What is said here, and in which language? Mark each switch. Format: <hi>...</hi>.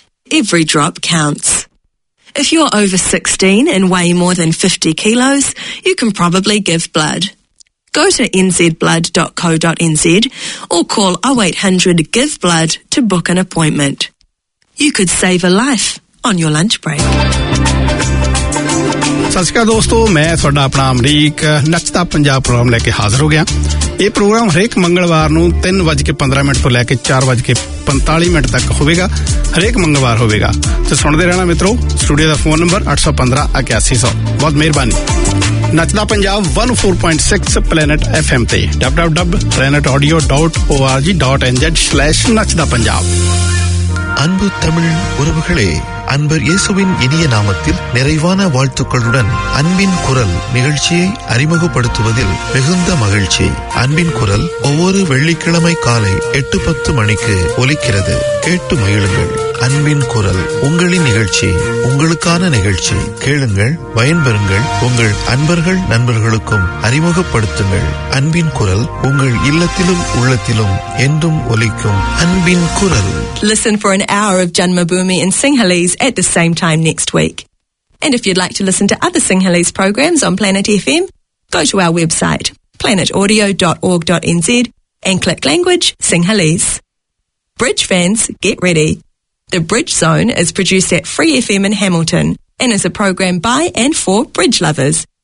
<en>Every drop counts. If you're over 16 and weigh more than 50 kilos, you can probably give blood. Go to nzblood.co.nz or call 0800-GIVE-BLOOD to book an appointment. You could save a life on your lunch break.</en> <pa>ਸਸਕਾ ਦੋਸਤੋ, ਮੈਂ ਤੁਹਾਡਾ ਆਪਣਾ ਅਮਰੀਕ ਨੱਚਦਾ Punjab programme ਲੈ ਕੇ ਹਾਜ਼ਰ ਹੋ ਗਿਆ। ਇਹ ਪ੍ਰੋਗਰਾਮ ਹਰੇਕ ਮੰਗਲਵਾਰ ਨੂੰ 3:15 ਤੋਂ ਲੈ ਕੇ 4:45 ਤੱਕ ਹੋਵੇਗਾ, ਹਰੇਕ ਮੰਗਲਵਾਰ ਹੋਵੇਗਾ। ਤੇ ਸੁਣਦੇ ਰਹਿਣਾ ਮਿੱਤਰੋ, ਸਟੂਡੀਓ ਦਾ ਫੋਨ ਨੰਬਰ 815-8100, ਬਹੁਤ ਮਿਹਰਬਾਨੀ। ਨੱਚਦਾ ਪੰਜਾਬ 104.6 ਪਲੈਨਟ FM ਤੇ www.planetaudio.org.nz/nachdapanjab.</pa> <ta>அன்பு தமிழ் உறவுகளே, அன்பர் இயேசுவின் இனிய நாமத்தில் நிறைவான வாழ்த்துக்களுடன் அன்பின் குரல் நிகழ்ச்சியை அறிமுகப்படுத்துவதில் மிகுந்த மகிழ்ச்சி. அன்பின் குரல் ஒவ்வொரு வெள்ளிக்கிழமை காலை 8:10 ஒலிக்கிறது, கேட்டு மகிழுங்கள். அன்பின் குரல் உங்களின் நிகழ்ச்சி, உங்களுக்கான நிகழ்ச்சி. கேளுங்கள், பயன்பெறுங்கள், உங்கள் அன்பர்கள் நண்பர்களுக்கும் அறிமுகப்படுத்துங்கள். அன்பின் குரல் உங்கள் இல்லத்திலும் உள்ளத்திலும் என்றும் ஒலிக்கும். அன்பின் குரல்.</ta> <en>Listen for an hour of Janmabhoomi in Sinhalese at the same time next week. And if you'd like to listen to other Sinhalese programs on Planet FM, go to our website, planetaudio.org.nz, and click language Sinhalese. Bridge fans, get ready. The Bridge Zone is produced at Free FM in Hamilton and is a program by and for bridge lovers.</en>